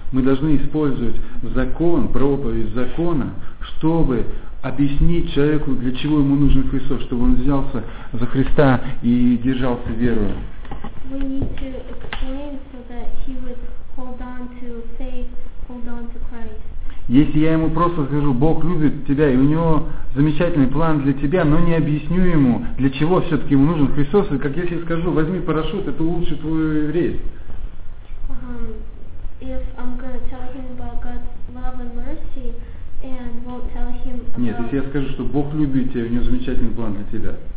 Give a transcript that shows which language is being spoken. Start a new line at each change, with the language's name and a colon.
Russian: Мы должны использовать закон, проповедь закона, чтобы объяснить человеку, для чего ему нужен Христос, чтобы он взялся за Христа и держался верою.
English: We need to explain so that he would hold on to faith, hold on to Christ.
Russian: Если я ему просто скажу, Бог любит тебя, и у него замечательный план для тебя, но не объясню ему, для чего все-таки ему нужен Христос, и как если я скажу, возьми парашют, это улучшит твой рейс.
English: If I'm going to tell him about God's love and mercy and won't tell him about...
Russian: Нет, если я скажу, что Бог любит тебя, у него замечательный план для тебя.